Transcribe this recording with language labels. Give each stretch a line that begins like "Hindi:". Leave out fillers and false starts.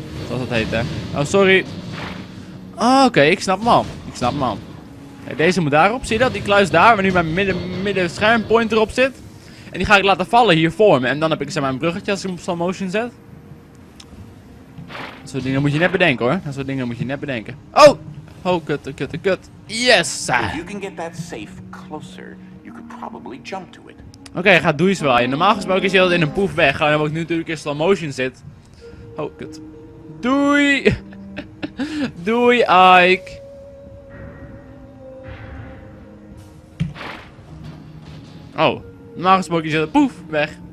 Dutch: Zoals dat heet, hè. Oh, sorry. Oh, oké, okay, ik snap hem al. Ik snap hem al. Hey, deze moet daarop, zie je dat? Die kluis daar, waar nu mijn midden schermpointer op zit. En die ga ik laten vallen hier voor me. En dan heb ik, zeg maar, een bruggetje als ik hem op slow motion zet. Dat soort dingen moet je net bedenken, hoor. Dat soort dingen moet je net bedenken. Oh! Oh, kut, kut, kut. Yes!
English: If you can get that safe closer, you could probably jump to it.
Dutch: Oké, ga doe je zwaaien. Normaal gesproken is je dat in een poef weg. Gewoon omdat ik nu natuurlijk in slow motion zit. Oh, kut. Doei! Doei, Ike! Oh, normaal gesproken is je dat poef weg.